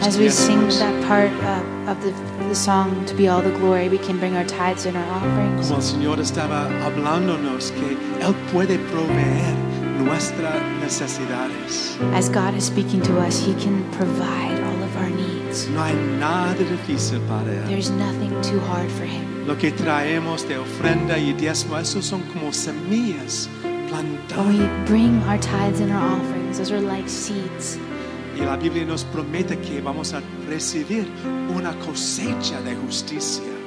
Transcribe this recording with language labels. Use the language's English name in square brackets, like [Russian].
[English] diezmos. As we sing that part of the song, to be all the glory, we can bring our tithes and our offerings. [Spanish] Como el Señor estaba hablándonos que Él puede proveer nuestras necesidades. [English] As God is speaking to us, He can provide all of our needs. [Spanish] No hay nada difícil para Él. [English] There's nothing too hard for Him. [Spanish] lo que traemos de ofrenda y diezmo, esos son como semillas plantadas. [English] We bring our tithes and our offerings, those are like seeds. [Spanish] Y la Biblia nos promete que vamos a recibir una cosecha de justicia.